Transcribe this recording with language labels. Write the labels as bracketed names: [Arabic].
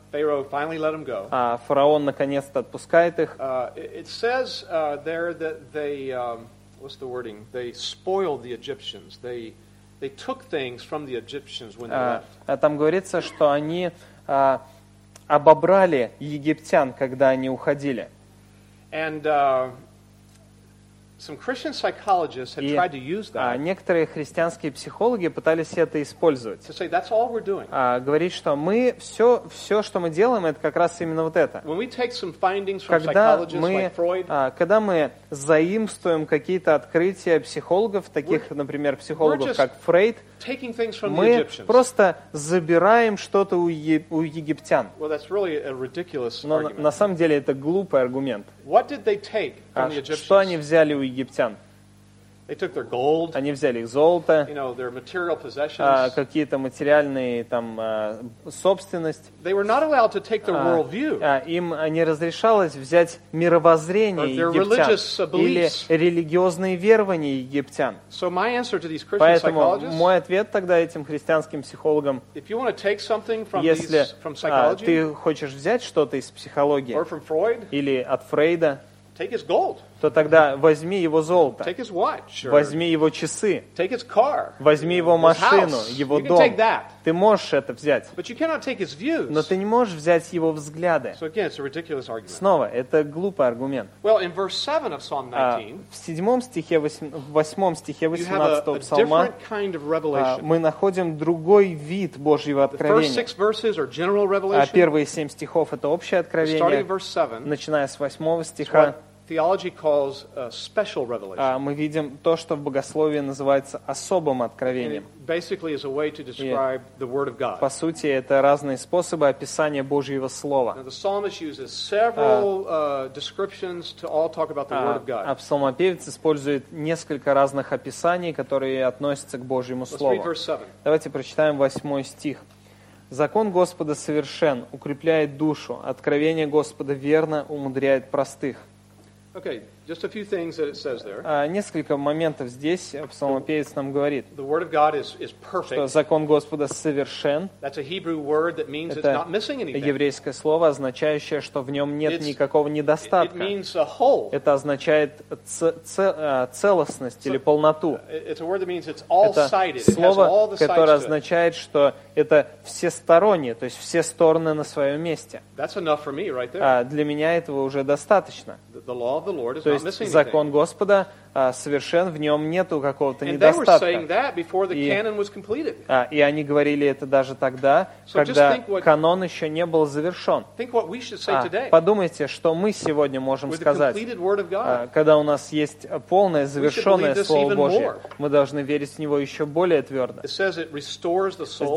[Russian] Фараон наконец-то отпускает их. [English] It says there that they what's the wording? They spoiled the Egyptians. They took things from the Egyptians when they left. [Russian] Там говорится, что они обобрали египтян, когда они уходили. [English] And Some Christian psychologists have tried to use that. [Russian] Некоторые христианские психологи пытались это использовать. [English] To say that's all we're doing. [Russian] Говорить, что мы все, что мы делаем, это как раз именно вот это. [English] When we take some findings from psychologists like Freud. [Russian] Когда мы заимствуем какие-то открытия психологов, таких, например, психологов как Фрейд, мы просто забираем что-то у египтян. [English] Well, that's really a ridiculous argument. [Russian] Но на самом деле это глупый аргумент. [English] What did they take from the Egyptians? [Russian] Что они взяли у египтян? [English] They took their gold, [Russian] они взяли их золото, [English] you know, their material possessions. [Russian] Какие-то материальные там собственность. [English] They were not allowed to take their worldview. [Russian] Им не разрешалось взять мировоззрение [English] or their [Russian] египтян [English] religious beliefs. [Russian] Или религиозные верования египтян. [English] So my answer to these Christian [Russian] Поэтому [English] psychologists, [Russian] мой ответ тогда этим христианским психологам, [English] if you want to take something from [Russian] если [English] these, from psychology, [Russian] ты хочешь взять что-то из психологии [English] or from Freud, [Russian] или от Фрейда, [English] take his gold. [Russian] То тогда возьми его золото, [English] take his watch, or [Russian] возьми его часы, [English] take his car, [Russian] возьми его машину, [English] his house. [Russian] Его [English] you [Russian] дом. [English] Can take that. [Russian] Ты можешь это взять, [English] but you cannot take his views. [Russian] Но ты не можешь взять его взгляды. [English] So again, it's a ridiculous argument. [Russian] Снова, это глупый аргумент. [English] Well, in verse 7 of Psalm 19, [Russian] в седьмом стихе, восьмом стихе 18 псалма мы находим другой вид Божьего откровения. [English] The first 6 verses are general revelation. [Russian] Первые 7 стихов – это общее откровение, [English] starting verse 7, [Russian] начиная с 8 стиха. [English] Theology calls a special revelation. [Russian] Мы видим то, что в богословии называется особым откровением. [English] It basically is a way to describe the word of God. [Russian] По сути, это разные способы описания Божьего слова. [English] Now, the psalmist uses several descriptions to all talk about the word of God. [Russian] А псалмопевец использует несколько разных описаний, которые относятся к Божьему слову. [English] Let's read verse 7. [Russian] Давайте прочитаем 8 стих. Закон Господа совершен, укрепляет душу. Откровение Господа верно, умудряет простых. [English] Okay, just a few things that it says there. [Russian] Несколько моментов здесь псалмопевец нам говорит. [English] The word of God is perfect. [Russian] Что закон Господа совершен. [English] That's a Hebrew word that means it's not missing anything. [Russian] Еврейское слово, означающее, что в нем нет никакого недостатка. [English] It means a whole. [Russian] Это означает целостность или полноту. [English] It's a word that means it's all-sided. [Russian] Это слово, которое означает, что это всестороннее, то есть все стороны на своем месте. [English] That's enough for me right there. [Russian] Для меня этого уже достаточно. [English] The law of the Lord is [Russian] То есть [English] not missing [Russian] закон [English] anything. [Russian] Господа совершен, в нем нету какого-то недостатка. [English] And they were saying that before the canon was completed. [Russian] И они говорили это даже тогда, [English] so [Russian] когда [English] what, [Russian] канон еще не был завершен. [English] Think what we should say today. [Russian] Подумайте, что мы сегодня можем [English] With [Russian] сказать, [English] the completed word of God. [Russian] Когда у нас есть полное завершенное Слово Божие. Мы должны верить в Него еще более твердо. [English] It says it restores the soul.